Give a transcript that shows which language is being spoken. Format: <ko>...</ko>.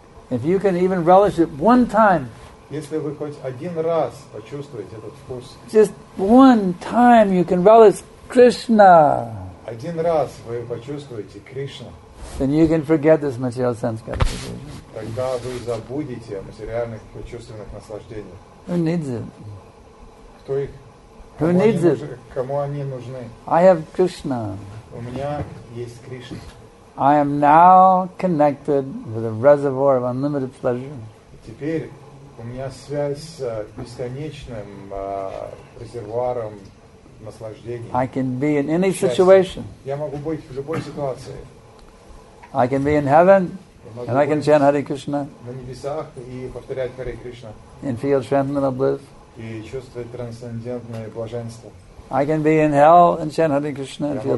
<en>If you can even relish it one time,</en> <ru>если вы хоть один раз почувствуете этот вкус,</ru> <en>just one time you can relish Krishna.</en> <ru>Один раз вы почувствуете Кришну.</ru> <en>Then you can forget this material sense gratification.</en> <ru>Тогда вы забудете о материальных чувственных наслаждениях.</ru> <en>Who needs it?</en> <ru>Кто их?</ru> <en>Who needs it?</en> <ru>Кому они нужны?</ru> <en>I have Krishna.</en> <ru>У меня есть Кришна.</ru> <en>I am now connected with a reservoir of unlimited pleasure.</en> <ru>Теперь у меня связь с бесконечным резервуаром наслаждений.</ru> <en>I can be in any situation.</en> <ru>Я могу быть в любой ситуации.</ru> <en>I can be in heaven and I can chant Hare Krishna.</en> <ru>На небесах и повторять Hare Krishna.</ru> <en>And feel transcendental bliss.</en> <ru>И чувствовать трансцендентное блаженство.</ru> <en>I can be in hell and chant Hare Krishna and feel</en>